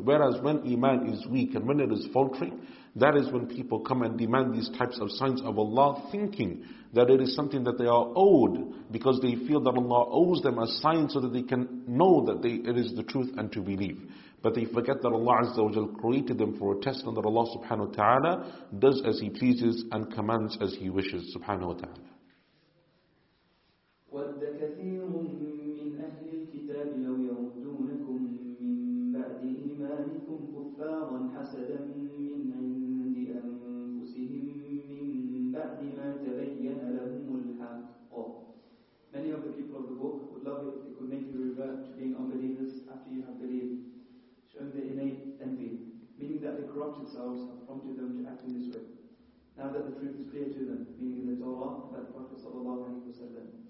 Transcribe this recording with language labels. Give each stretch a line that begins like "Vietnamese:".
English: Whereas when iman is weak and when it is faltering, that is when people come and demand these types of signs of Allah, thinking that it is something that they are owed, because they feel that Allah owes them a sign so that they can know that it is the truth and to believe. But they forget that Allah Azza wa Jal created them for a test, and that Allah subhanahu wa ta'ala does as He pleases and commands as He wishes subhanahu wa ta'ala.
Arabic: ود كثير من أهل الكتاب لو يردونكم من بعد إيمانكم كفارا حسدا من عند أنفسهم من بعد ما تبين لهم الحق.
English: Many of the people of the book would love it if they could make you revert to being unbelievers after you have believed, showing their innate envy, meaning that the corrupted selves have prompted them to act in this way. Now that the truth is clear to them, meaning the Torah, that the Prophet sallallahu alaihi wasallam.